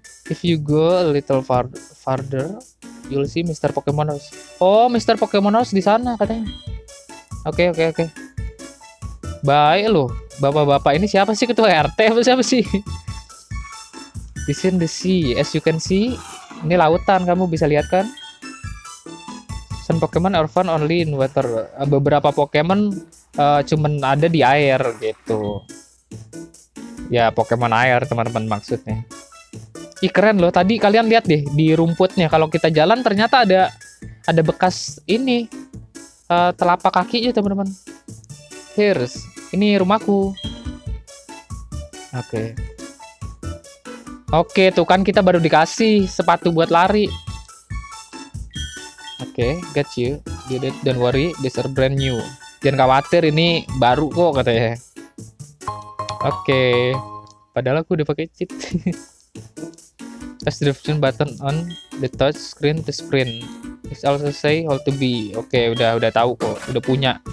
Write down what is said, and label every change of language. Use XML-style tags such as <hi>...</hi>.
<en>If you go a little farther, you'll see Mr.</en> <id>Pokemon House. Oh, Mr. Pokemon House di sana katanya. Oke. Baik loh, bapak-bapak ini siapa sih, ketua RT apa siapa sih?</id> <en>This is the sea, as you can see.</en> <id>Ini lautan, kamu bisa lihat kan?</id> <en>Some Pokemon are found only in water.</en> <id>Beberapa Pokemon cuman ada di air gitu. Ya, Pokemon air, teman-teman maksudnya. Ih, keren loh. Tadi kalian lihat deh di rumputnya, kalau kita jalan ternyata ada bekas ini telapak kakinya, teman-teman. Here's. Ini rumahku. Oke, tuh kan kita baru dikasih sepatu buat lari.</id> <en>Oke, get you. Get it, don't worry, these are brand new.</en> <id>Jangan khawatir, ini baru kok katanya.</id> <en>Oke.</en> <id>Padahal aku udah pakai cheat.</id> <en>Press the direction button on the touch screen to sprint. It's also say hold to be.</en> <id>Oke, udah tahu kok, udah punya.</id>